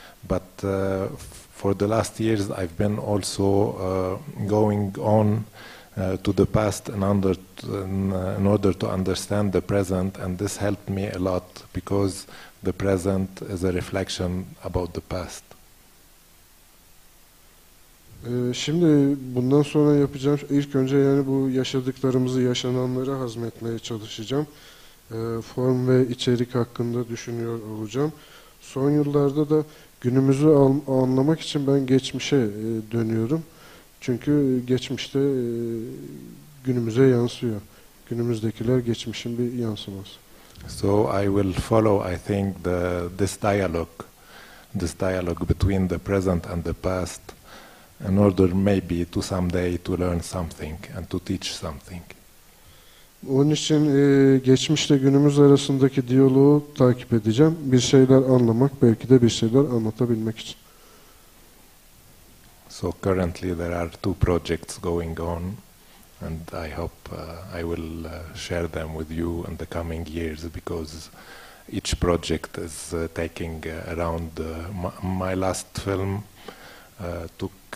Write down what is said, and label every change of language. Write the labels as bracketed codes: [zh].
[en] But for the last years, I've been also going on to the past in order to understand the present, and this helped me a lot because the present is a reflection about the past. [tr] Şimdi bundan sonra yapacağım, ilk önce yani bu yaşadıklarımızı, yaşananları hazmetmeye çalışacağım. Form ve içerik hakkında düşünüyor olacağım. Son yıllarda da günümüzü anlamak için ben geçmişe dönüyorum. Çünkü geçmişte günümüze yansıyor. Günümüzdekiler geçmişin bir yansıması. [en] So I will follow, I think, this dialogue between the present and the past, in order maybe to someday to learn something and to teach something. [tr] Onun için geçmişle günümüz arasındaki diyaloğu takip edeceğim. Bir şeyler anlamak, belki de bir şeyler anlatabilmek için. [en] So currently there are two projects going on, and I hope I will share them with you in the coming years, because each project is taking around my last film took